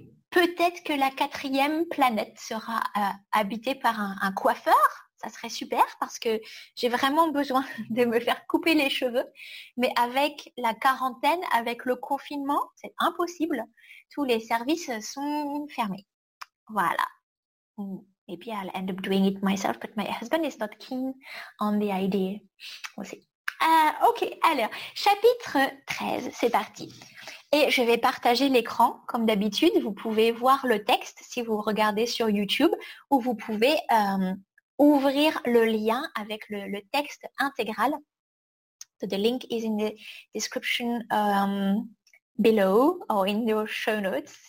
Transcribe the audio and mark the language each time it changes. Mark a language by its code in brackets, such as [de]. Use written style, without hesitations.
[fr] Peut-être que la quatrième planète sera habitée par un coiffeur. Ça serait super parce que j'ai vraiment besoin de me faire couper les cheveux. Mais avec la quarantaine, avec le confinement, c'est impossible. Tous les services sont fermés. Voilà. [en] Maybe I'll end up doing it myself, but my husband is not keen on the idea. We'll see. [fr] Ok, alors, chapitre 13, c'est parti. Et je vais partager l'écran, comme d'habitude. Vous pouvez voir le texte si vous regardez sur YouTube, ou vous pouvez ouvrir le lien avec le texte intégral. [en] So the link is in the description below, or in your show notes.